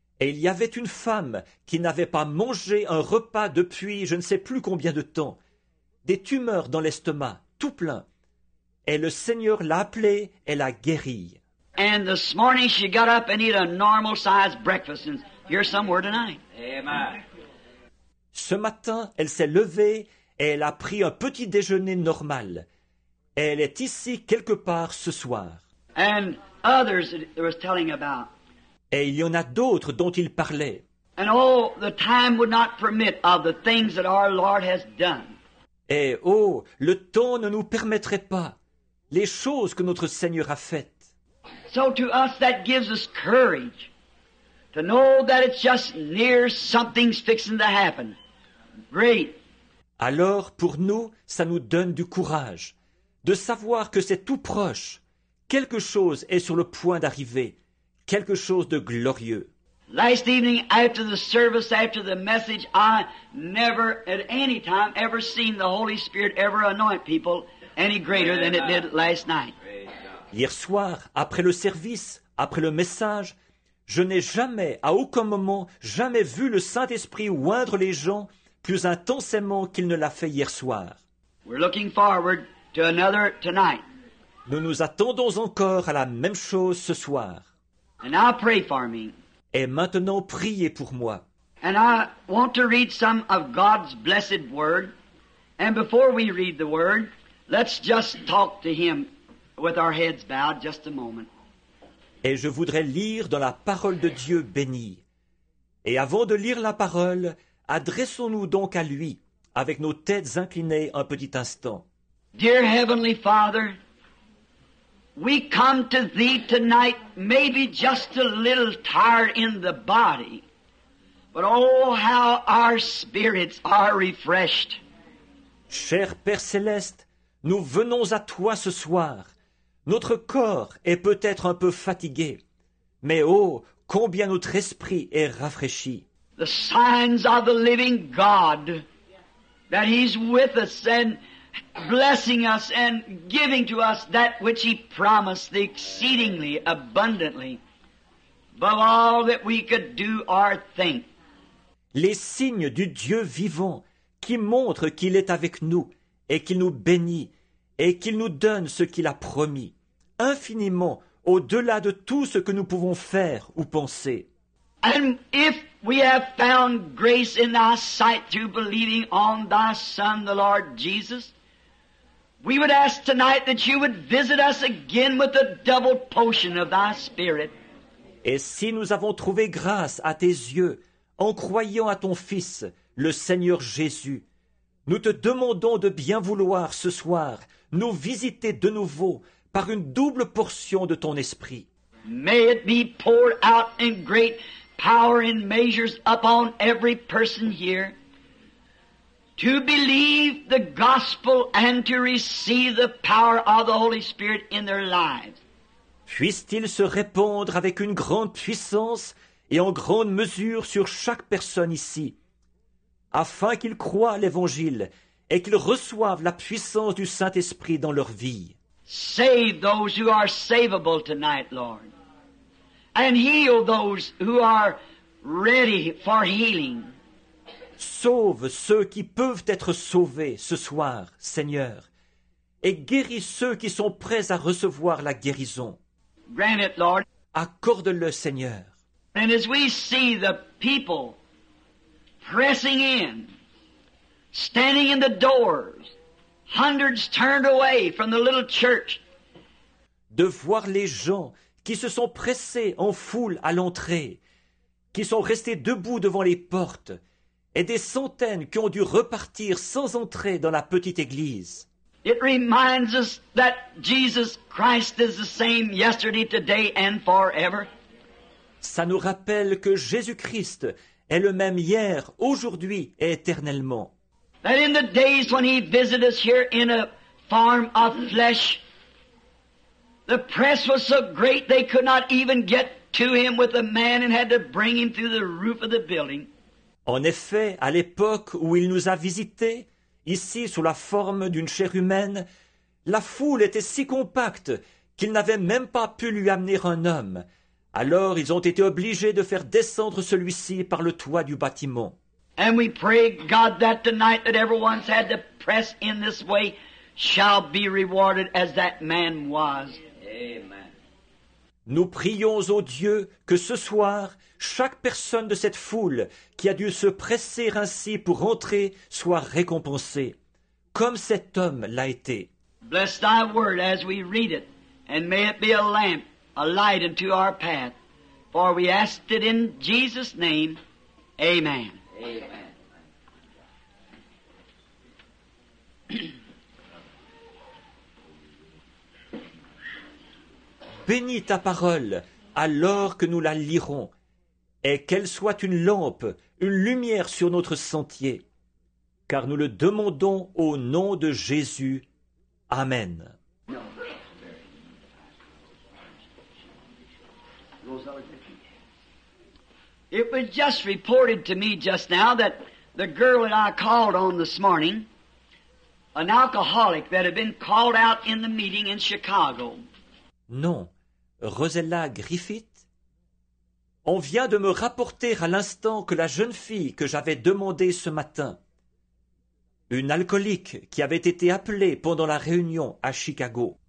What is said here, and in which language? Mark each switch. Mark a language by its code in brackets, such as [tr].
[fr] Et il y avait une femme qui n'avait pas mangé un repas depuis je ne sais plus combien de temps. Des tumeurs dans l'estomac, tout plein. Et le Seigneur l'a appelée et l'a guérie. [en] And this morning she got up and ate a normal sized breakfast and here's some word tonight. Amen. [fr] Ce matin, elle s'est levée et elle a pris un petit déjeuner normal. Elle est ici quelque part ce soir. [en] And others that was telling about. [fr] Et il y en a d'autres dont il parlait. [en] And oh, the time would not permit of the things that our Lord has done. [fr] Et oh, le temps ne nous permettrait pas. Les choses que notre Seigneur a faites. [en] So to us that gives us courage to know that it's just near something's fixing to happen. Great. [fr] Alors pour nous, ça nous donne du courage de savoir que c'est tout proche. Quelque chose est sur le point d'arriver. Quelque chose de glorieux. [en] Last evening after the service, after the message, I never at any time ever seen the Holy Spirit ever anoint people any greater than it did last night. [fr] Hier soir, après le service, après le message, Je n'ai jamais, à aucun moment, jamais vu le Saint-Esprit oindre les gens plus intensément qu'il ne l'a fait hier soir. [en] We're looking forward to another tonight. [fr] Nous nous attendons encore à la même chose ce soir. [en] And now pray for me. [fr] Et maintenant, priez pour moi. [en] And I want to read some of God's blessed word. And before we read the word, let's just talk to him with our heads bowed just a moment. [fr] Et je voudrais lire dans la parole de Dieu béni. Et avant de lire la parole, adressons-nous donc à lui avec nos têtes inclinées un petit instant. [en] Dear Heavenly Father, we come to thee tonight maybe just a little tired in the body, but oh how our spirits are refreshed. [fr] Cher Père Céleste, nous venons à toi ce soir. Notre corps est peut-être un peu fatigué, mais oh, combien notre esprit est rafraîchi. [en] The signs of the living God, that He's with us and blessing us and giving to us that which He promised, the exceedingly abundantly, above all that we could do or think. [fr] Les signes du Dieu vivant qui montrent qu'il est avec nous et qu'il nous bénit et qu'il nous donne ce qu'il a promis, infiniment au-delà de tout ce que nous pouvons faire ou penser. [en] And if we have found grace in thy sight through believing on thy Son, the Lord Jesus, we would ask tonight that you would visit us again with a double portion of thy Spirit. [fr] Et si nous avons trouvé grâce à tes yeux en croyant à ton Fils, le Seigneur Jésus, nous te demandons de bien vouloir ce soir nous visiter de nouveau par une double portion de ton Esprit. [en] May it be poured out in great power and measures upon every person here to believe the gospel and to receive the power of the Holy Spirit in their lives. [fr] Puisse-t-il se répandre avec une grande puissance et en grande mesure sur chaque personne ici, afin qu'ils croient l'Évangile et qu'ils reçoivent la puissance du Saint-Esprit dans leur vie. [en] Save those who are savable tonight, Lord. And heal those who are ready for healing. [fr] Sauve ceux qui peuvent être sauvés ce soir, Seigneur, et guéris ceux qui sont prêts à recevoir la guérison. [en] Grant it, Lord. [fr] Accorde-le, Seigneur. [en] And as we see the people pressing in, standing in the doors, hundreds turned away from the little church. [fr] De voir les gens qui se sont pressés en foule à l'entrée, qui sont restés debout devant les portes, et des centaines qui ont dû repartir sans entrer dans la petite église. [en] It reminds us that Jesus Christ is the same yesterday, today and forever. [fr] Ça nous rappelle que Jésus-Christ est le même hier, aujourd'hui et éternellement. [en] That in the days when he visited us here in a form of flesh, the press was so great they could not even get to him with a man and had to bring him through the roof of the building. [fr] En effet, à l'époque où il nous a visités, ici sous la forme d'une chair humaine, la foule était si compacte qu'il n'avait même pas pu lui amener un homme. Alors ils ont été obligés de faire descendre celui-ci par le toit du bâtiment. [en] And we pray God that tonight that everyone's had to press in this way shall be rewarded as that man was. Amen. [fr] Nous prions au Dieu que ce soir, chaque personne de cette foule qui a dû se presser ainsi pour entrer soit récompensée, comme cet homme l'a été. [en] Bless thy word as we read it, and may it be a lamp, a light unto our path. For we ask it in Jesus' name. Amen. Amen. [fr] Bénis ta parole alors que nous la lirons, et qu'elle soit une lampe, une lumière sur notre sentier. Car nous le demandons au nom de Jésus. Amen. [en] It was just reported to me just now that the girl that I called on this morning, an alcoholic that had been called out in the meeting in Chicago. [fr] Non. Rosella Griffith? On vient de me rapporter à l'instant que la jeune fille que j'avais demandé ce matin, une alcoolique qui avait été appelée pendant la réunion à Chicago,